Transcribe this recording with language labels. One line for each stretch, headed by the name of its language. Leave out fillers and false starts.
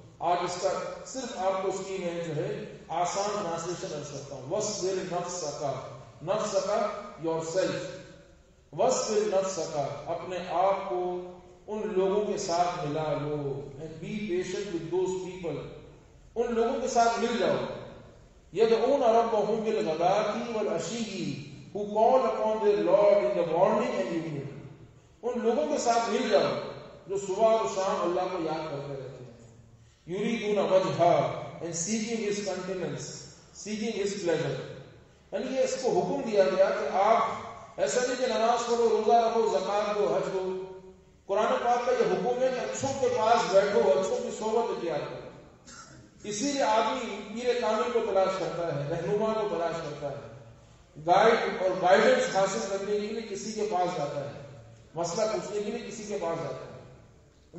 Urdu: آج اس کا صرف آپ کو اس کی جو ہے آسان ٹرانسلیشن عرض کرتا ہوں.
Arabic: وَصْبِرْ نَفْسَكَ نَفْسَكَ
English: yourself
Arabic: وَصْبِرْ نَفْسَكَ
Urdu: اپنے آپ کو ان لوگوں کے ساتھ ملا لو.
English: be patient with those people
Urdu: in لوگوں کے ساتھ مل جاؤ.
Arabic: يَدْعُونَ رَبَّهُمْ بِالْغَدَاةِ وَالْعَشِيِّ
English: who call upon their lord in the morning and evening.
Urdu: ان لوگوں کے ساتھ مل جاؤ جو صبح اور شام اللہ کو یاد کرتے رہتے ہیں.
Arabic: يُرِيدُونَ وَجْهَا
English: and seeking his countenance, seeking his pleasure. And
Urdu: یہ اس کو حکم دیا گیا کہ آپ ایسا نہیں کہ نماز پڑھو, روزہ رکھو, زکات دو, حج دو. قرآن پاک کا یہ حکم ہے کہ اچھوں کے پاس بیٹھو, اچھوں کی صحبت اختیار کرو. اسی لیے آدمی پیر کامل کو تلاش کرتا ہے, رہنما کو تلاش کرتا ہے, گائیڈ اور گائیڈنس حاصل کرنے کے لیے کسی کے پاس جاتا ہے, مسئلہ پوچھنے کے لیے کسی کے پاس جاتا ہے.